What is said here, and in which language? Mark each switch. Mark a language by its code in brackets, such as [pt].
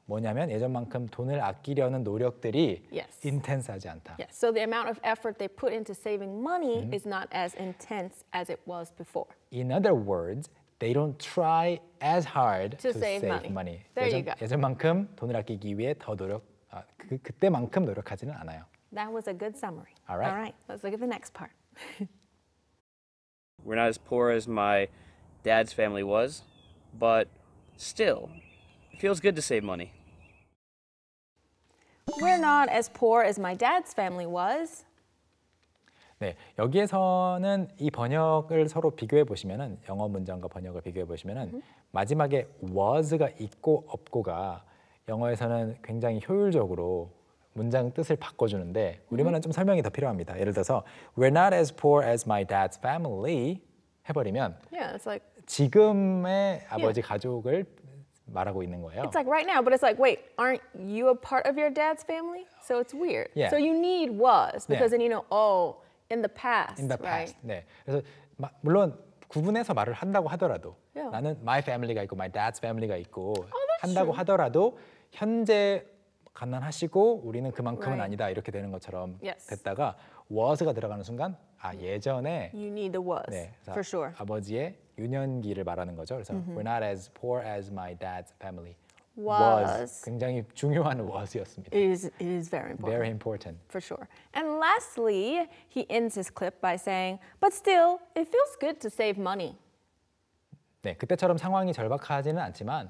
[ko] 뭐냐면 예전만큼 돈을 아끼려는 노력들이 [en] yes. [ko] intense하지 않다. [en] Yes. So the amount of effort they put into saving money mm-hmm. is not as intense as it was before. In other words, they don't try as hard to save money. There you go. [ko] 예전만큼 돈을 아끼기 위해 더 노력 그때만큼 노력하지는 않아요. [en] That was a good summary. All right. All right. Let's look at the next part. We're not as poor as my dad's family was, but still, it feels good to save money. We're not as poor as my dad's family was. [ko] 네, 여기에서는 이 번역을 서로 비교해 보시면은 영어 문장과 번역을 비교해 보시면은 mm-hmm. 마지막에 was가 있고 없고가 영어에서는 굉장히 효율적으로 문장 뜻을 바꿔주는데 우리만은 좀 설명이 더 필요합니다. 예를 들어서 [en] We're not as poor as my dad's family [ko] 해버리면 [en] yeah, it's like, [ko] 지금의 아버지 yeah. 가족을 말하고 있는 거예요. [en] It's like right now, but it's like, wait, aren't you a part of your dad's family? So it's weird. Yeah. So you need was, because yeah. then you know, oh, in the past, in the past, right? [ko] 네. 그래서 물론 구분해서 말을 한다고 하더라도 [en] yeah. [ko] 나는 my family가 있고 my dad's family가 있고 [en] oh, [ko] 한다고 [en] true. [ko] 하더라도 현재 가난하시고 우리는 그만큼은 right. 아니다 이렇게 되는 것처럼 [en] yes. [ko] 됐다가 was가 들어가는 순간 아 예전에 [en] you need the was [ko] 네, [en] for sure [ko] 아버지의 유년기를 말하는 거죠. 그래서 [en] mm-hmm. we're not as poor as my dad's family was [ko] 굉장히 중요한 was였습니다. [en] It is very important. Very important for sure. And lastly, he ends his clip by saying, "But still, it feels good to save money." [ko] 네, 그때처럼 상황이 절박하지는 않지만.